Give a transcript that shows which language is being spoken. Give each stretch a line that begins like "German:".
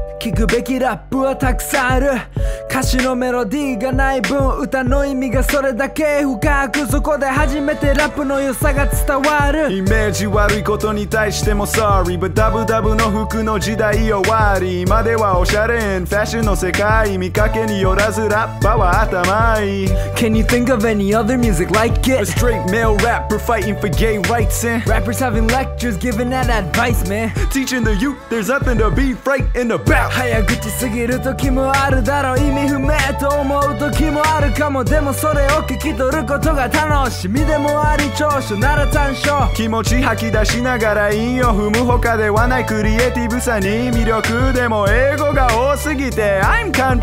Japanese: 聞くべきラップはたくさんある、歌詞のメロディーがない分歌の意味がそれだけ深く、そこで初めてラップの良さが伝わる。イメージ悪いことに対しても
English: Sorry But
Japanese: ダブダブの服の時代終わり、今ではオシャレンファッションの世界、見かけによらずラッパーは頭いい。
English: Can you think of any other music like it? A straight male rapper fighting for gay rights and rappers having lectures giving that advice man, teaching the youth there's nothing to be frightened about。
Japanese: 早口すぎる時もあるだろう、意味不明と思う時もあるかも、でもそれを聞き取ることが楽しみでもあり、長所なら短所、気持ち吐き出しながら韻を踏む、他ではないクリエイティブさに魅力、でも英語が多すぎて
English: I'm confused。